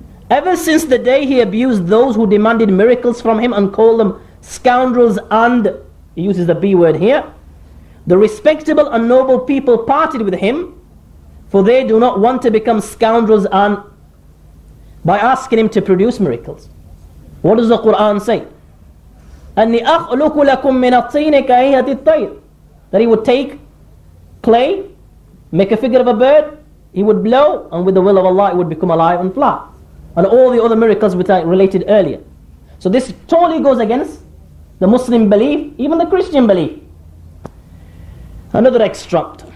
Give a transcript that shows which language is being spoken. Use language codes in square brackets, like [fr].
[en] Ever since the day he abused those who demanded miracles from him and called them scoundrels and, he uses the B word here, the respectable and noble people parted with him, for they do not want to become scoundrels and by asking him to produce miracles. What does the Quran say? [ar] أَنِّي أَخْلُكُ لَكُم مِّنَ الطِّينِ كَهَيْئَةِ الطَّيْرِ. [en] That he would take clay, make a figure of a bird, he would blow, and with the will of Allah it would become alive and fly. And all the other miracles which I related earlier. So this totally goes against the Muslim belief, even the Christian belief. Another extract.